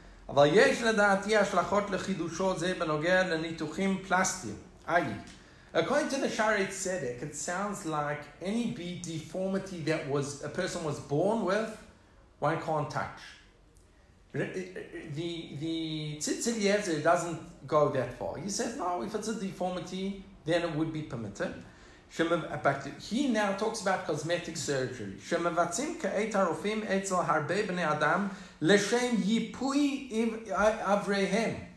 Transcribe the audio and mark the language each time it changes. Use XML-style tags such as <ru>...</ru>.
<he>אבל יש לדעתי השלכות לחידושו זה בנוגע לניתוחים פלסטיים. איי.</he> <en>According to the Shari Tzedek, it sounds like any deformity that was a person was born with, one can't touch. The Tzitzel Yezer doesn't go that far. He says, no, if it's a deformity, then it would be permitted. He now talks about cosmetic surgery.</en> <he>שמבצעים כעת הרופאים אצל הרבה בני אדם לשם ייפוי אבריהם.</he>